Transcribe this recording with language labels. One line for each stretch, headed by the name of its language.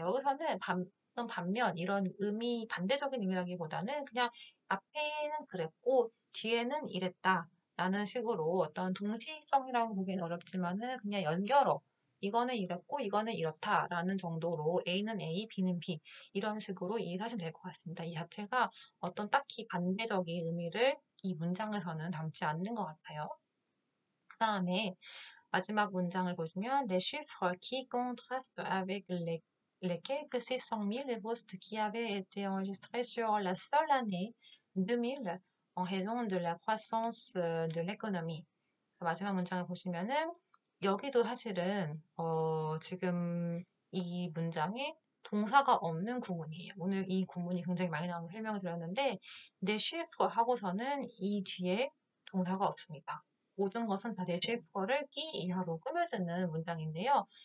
Korean: 여기서는 반면 이런 의미, 반대적인 의미라기보다는 그냥 앞에는 그랬고 뒤에는 이랬다 라는 식으로 어떤 동시성이라고 보기엔 어렵지만은 그냥 연결어, 이거는 이랬고 이거는 이렇다라는 정도로 A는 A, B는 B 이런 식으로 이해를 하시면 될것 같습니다. 이 자체가 어떤 딱히 반대적인 의미를 이 문장에서는 담지 않는 것 같아요. 그 다음에 마지막 문장을 보시면
French: Les chiffres qui contrastent avec les quelques 600 000 postes qui avaient été enregistrés sur la seule année 2000 en raison de la croissance de l'économie.
Korean: 마지막 문장을 보시면은 여기도 사실은 지금 이 문장에 동사가 없는 구문이에요. 오늘 이 구문이 굉장히 많이 나온 설명을 드렸는데, 내 쉘퍼 하고서는 이 뒤에 동사가 없습니다. 모든 것은 다내 쉘퍼를 끼 이하로 꾸며주는 문장인데요.